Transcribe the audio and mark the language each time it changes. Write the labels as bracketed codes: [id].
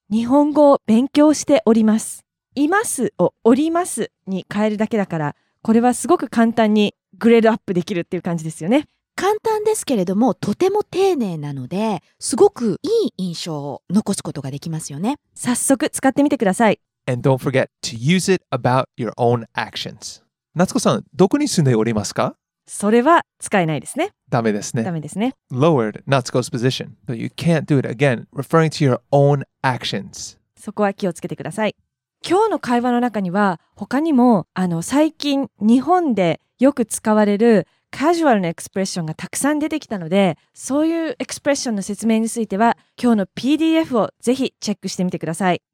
[ja] 日本語を勉強しております。いますをおりますに変えるだけだから、これはすごく簡単にグレードアップできるっていう感じですよね。簡単ですけれども、とても丁寧なので、すごくいい印象を残すことができますよね。早速使ってみてください。 [en] And don't forget to use it about your own actions. [ja] 夏子さん、どこに住んでおりますか？それは使えないですね。ダメですね。ダメですね。 [en] Lowered, Natsuko's position. So you can't do it again, referring to your own actions. [ja] そこは気をつけてください。今日の会話の中には、他にも、あの、最近日本でよく使われるカジュアルなエクスプレッションがたくさん出てきたので、そういうエクスプレッションの説明については、今日の PDF をぜひチェックしてみてください。